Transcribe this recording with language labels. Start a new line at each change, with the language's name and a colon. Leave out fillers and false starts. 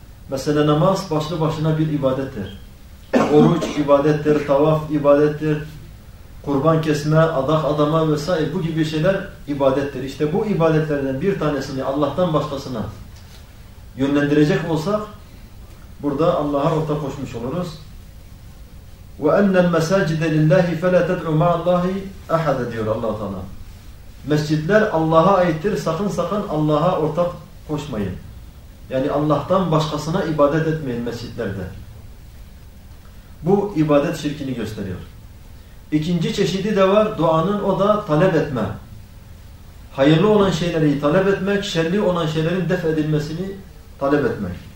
Turkish: Mesela namaz başlı başına bir ibadettir. Oruç ibadettir, tavaf ibadettir, kurban kesme, adak adama vesaire bu gibi şeyler ibadettir. İşte bu ibadetlerden bir tanesini Allah'tan başkasına yönlendirecek olsak burada Allah'a ortak koşmuş oluruz.
Arabic: وَاَنَّ الْمَسَاجِدَ لِلّٰهِ فَلَا تَدْعُ مَعَ اللّٰهِ اَحَدَ
Turkish: diyor
Arabic: Allah-u Teala.
Turkish: Mescidler Allah'a aittir, sakın sakın Allah'a ortak koşmayın. Yani Allah'tan başkasına ibadet etmeyin mescidlerde. Bu ibadet şirkini gösteriyor. İkinci çeşidi de var duanın, o da talep etme. Hayırlı olan şeyleri talep etmek, şerli olan şeylerin def edilmesini talep etmek.